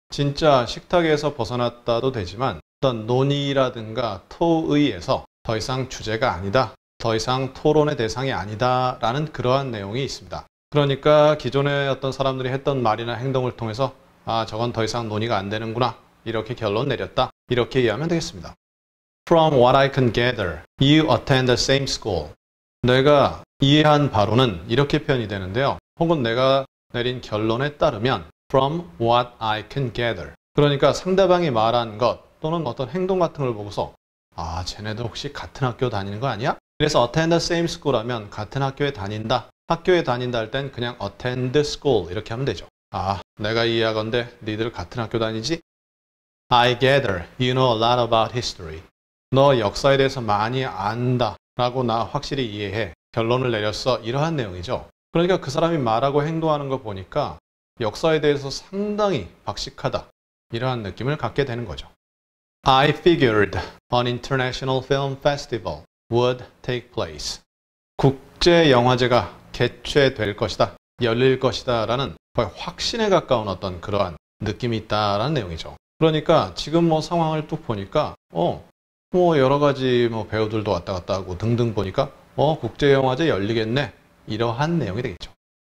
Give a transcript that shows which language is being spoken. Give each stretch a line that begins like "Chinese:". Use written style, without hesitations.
Korean: 진짜 식탁에서 벗어났다도 되지만 어떤 논의라든가 토의에서 더 이상 주제가 아니다, 더 이상 토론의 대상이 아니다 라는 그러한 내용이 있습니다. 그러니까 기존에 어떤 사람들이 했던 말이나 행동을 통해서 아 저건 더 이상 논의가 안 되는구나 이렇게 결론 내렸다 이렇게 이해하면 되겠습니다.
English: From what I can gather, you attend the same school.
Korean: 내가 이해한 바로는 이렇게 표현이 되는데요. 혹은 내가 내린 결론에 따르면
English: From what I can gather.
Korean: 그러니까 상대방이 말한 것 또는 어떤 행동 같은 걸 보고서 아, 쟤네도 혹시 같은 학교 다니는 거 아니야? 그래서
English: attend the same school
Korean: 하면 같은 학교에 다닌다. 학교에 다닌다 할 땐 그냥 attend school 이렇게 하면 되죠. 아, 내가 이해하건대 니들 같은 학교 다니지?
English: I gather you know a lot about history.
Korean: 너 역사에 대해서 많이 안다 라고 나 확실히 이해해. 결론을 내렸어. 이러한 내용이죠. 그러니까 그 사람이 말하고 행동하는 거 보니까 역사에 대해서 상당히 박식하다. 이러한 느낌을 갖게 되는 거죠.
English: I figured an international film festival would take place.
Korean: 국제 영화제가 개최될 것이다, 열릴 것이다 라는 거의 확신에 가까운 어떤 그러한 느낌이 있다라는 내용이죠. 그러니까 지금 뭐 상황을 뚝 보니까 뭐 여러 가지 뭐 배우들도 왔다 갔다 하고 등등 보니까 국제 영화제 열리겠네 이러한 내용이 되겠죠.